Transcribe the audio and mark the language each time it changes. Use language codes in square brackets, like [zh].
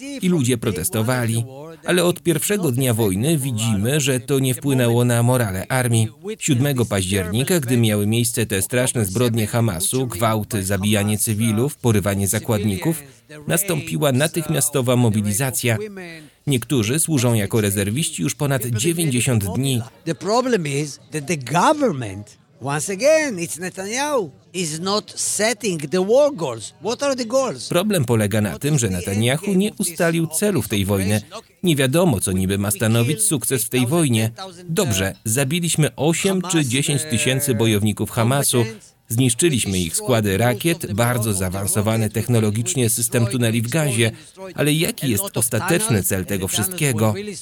[pl] I ludzie protestowali. Ale od pierwszego dnia wojny widzimy, że to nie wpłynęło na morale armii. 7 października, gdy miały miejsce te straszne zbrodnie Hamasu, gwałty, zabijanie cywilów, porywanie zakładników, nastąpiła natychmiastowa mobilizacja. Niektórzy służą jako rezerwiści już ponad 90 dni. [en] The problem is that the government, once again, it's Netanyahu, is not setting the war goals. What are the goals? [pl] Problem polega na tym, że Netanyahu nie ustalił celów tej wojny. Nie wiadomo, co niby ma stanowić sukces w tej wojnie. Dobrze, zabiliśmy 8 czy 10 tysięcy bojowników Hamasu. Zniszczyliśmy ich składy rakiet, bardzo zaawansowany technologicznie system tuneli w Gazie, ale jaki jest ostateczny cel tego wszystkiego?